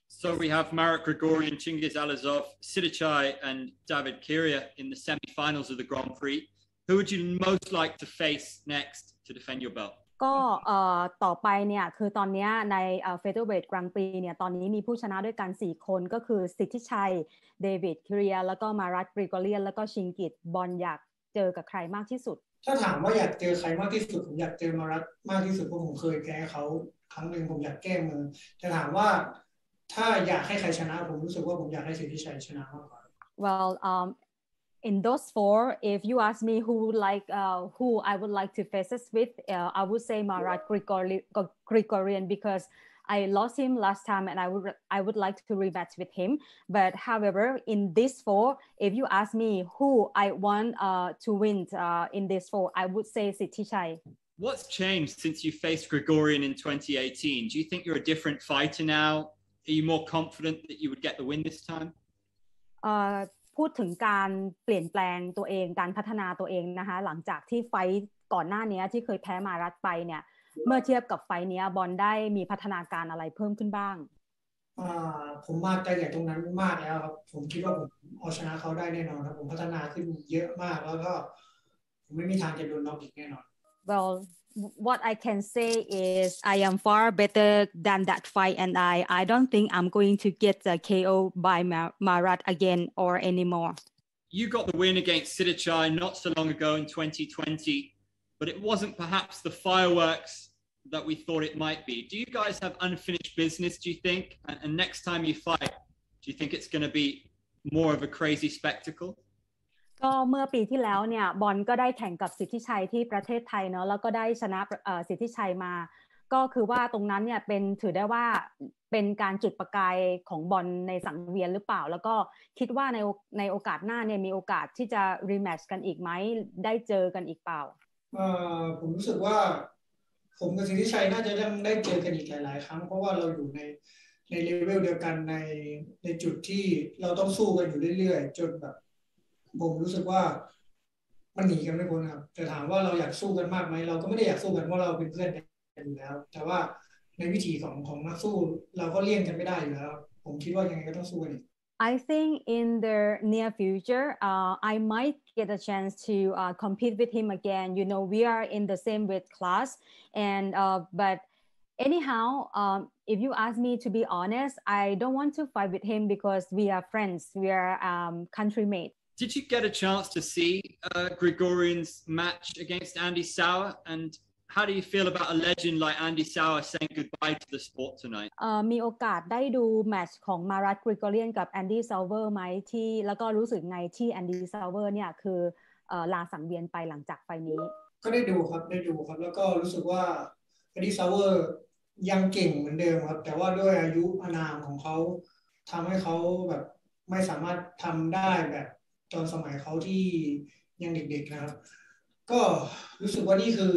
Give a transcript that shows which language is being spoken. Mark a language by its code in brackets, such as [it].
[en] So we have Marat Grigoryan, Chingiz Alazov, Sidichai and David Kiria in the semi-finals of the Grand Prix. Who would you most like to face next to defend your belt? [th] ก็ต่อไปเนี่ยคือตอนนี้ในเฟเธอร์เวทกรังปีเนี่ยตอนนี้มีผู้ชนะด้วยกัน4คนก็คือสิทธิชัยเดวิดคิเรียแล้วก็มารัตกริโกเรียนแล้วก็ชิงกิตบอลอยากเจอกับใครมากที่สุด ถ้าถามว่าอยากเจอใครมากที่สุดผมอยากเจอมารัตมากที่สุดเพราะผมเคยแพ้เขาครั้งหนึ่งผมอยากแก้มือจะถามว่าถ้าอยากให้ใครชนะผมรู้สึกว่าผมอยากให้สิทธิชัยชนะมากกว่า [en] Well In those four, if you ask me who I would like to face us with, I would say Marat Grigoryan because I lost him last time and I would like to rematch with him. But however, in these four, if you ask me who I want to win in these four, I would say Sitichai. What's changed since you faced Grigoryan in 2018? Do you think you're a different fighter now? Are you more confident that you would get the win this time? [th] พูดถึงการเปลี่ยนแปลงตัวเองการพัฒนาตัวเองนะคะหลังจากที่ไฟก่อนหน้านี้ที่เคยแพ้มารัตไปเนี่ยเมื่อเทียบกับไฟนี้บอลได้มีพัฒนาการอะไรเพิ่มขึ้นบ้าง ผมมากใจใหญ่ตรงนั้นมากแล้วครับผมคิดว่าผมเอาชนะเขาได้แน่นอนครับผมพัฒนาขึ้นเยอะมากแล้วก็ผมไม่มีทางจะโดนน็อกอีกแน่นอน [en] Well, what I can say is I am far better than that fight, and I don't think I'm going to get the KO by Marat again or anymore. You got the win against Sidichai not so long ago in 2020, but it wasn't perhaps the fireworks that we thought it might be. Do you guys have unfinished business, do you think? And next time you fight, do you think it's going to be more of a crazy spectacle? [th] ก็เมื่อปีที่แล้วเนี่ยบอลก็ได้แข่งกับสิทธิชัยที่ประเทศไทยเนาะแล้วก็ได้ชนะสิทธิชัยมาก็คือว่าตรงนั้นเนี่ยเป็นถือได้ว่าเป็นการจุดประกายของบอลในสังเวียนหรือเปล่าแล้วก็คิดว่าในโอกาสหน้าเนี่ยมีโอกาสที่จะรีแมตช์กันอีกมั้ยได้เจอกันอีกเปล่า ผมรู้สึกว่าผมกับสิทธิชัยน่าจะยังได้เจอกันอีกหลายครั้งเพราะว่าเราอยู่ในเลเวลเดียวกันในจุดที่เราต้องสู้กันอยู่เรื่อยๆจนแบบผมรู้สึกว่ามันหนีกันไม่พ้นครับแต่ถามว่าเราอยากสู้กันมากไหมเราก็ไม่ได้อยากสู้กันเพราะเราเป็นเพื่อนกันอยู่แล้วแต่ว่าในวิธีของนักสู้เราก็เลี่ยงกันไม่ได้อยู่แล้วผมคิดว่ายังไงก็ต้องสู้กันอีก [en] I think in the near future I might get a chance to compete with him again. You know, we are in the same weight class and but anyhow if you ask me to be honest, I don't want to fight with him because we are friends. We are country mates. Did you get a chance to see Gregorian's match against Andy Sauer? And how do you feel about a legend like Andy Sauer saying goodbye to the sport tonight? [th] มีโอกาสได้ดูแมตช์ของมารัต กริโกเรียนกับ Andy Sauer ไหมที่แล้วก็รู้สึกไงที่ Andy Sauer เนี่ยคือลาสังเวียนไปหลังจากไฟนี้ก็ได้ดูครับได้ดูครับแล้วก็รู้สึกว่า Andy Sauer ยังเก่งเหมือนเดิมครับแต่ว่าด้วยอายุอนามของเขาทำให้เขาแบบไม่สามารถทำได้แบบตอนสมัยเขาที่ยังเด็กๆนะครับก็รู้สึกว่านี่